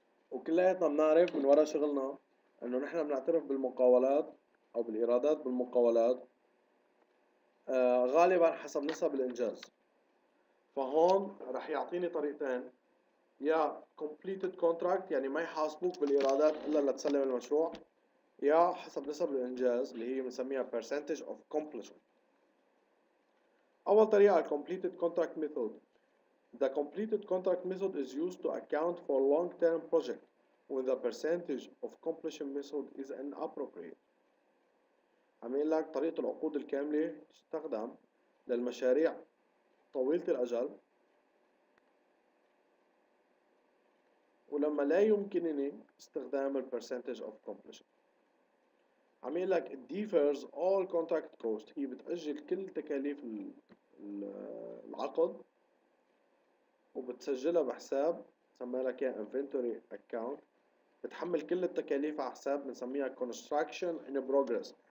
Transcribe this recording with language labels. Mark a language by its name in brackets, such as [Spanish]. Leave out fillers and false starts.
[Arabic] وكلياتنا بنعرف من ورا شغلنا انه نحن بنعترف بالمقاولات او بالايرادات بالمقاولات غالبا حسب نسب الانجاز. فهون رح يعطيني طريقتين، يا completed contract يعني ما يحاسبوك بالايرادات الا لتسلم المشروع، يا حسب نسب الانجاز اللي هي بنسميها percentage of completion. اول طريقة [English] completed contract method. The completed contract method is used to account for long term project when the percentage of completion method is inappropriate. [Arabic] عم يقول لك طريقة العقود الكاملة تستخدم للمشاريع طويلة الأجل، ولما لا يمكنني استخدام الـ percentage of completion. عم يقول لك [English] it defers all contract cost، [Arabic] هي بتأجل كل تكاليف العقد وبتسجلها بحساب سمي لك يا inventory account، بتحمل كل التكاليف على حساب بنسميها construction in progress.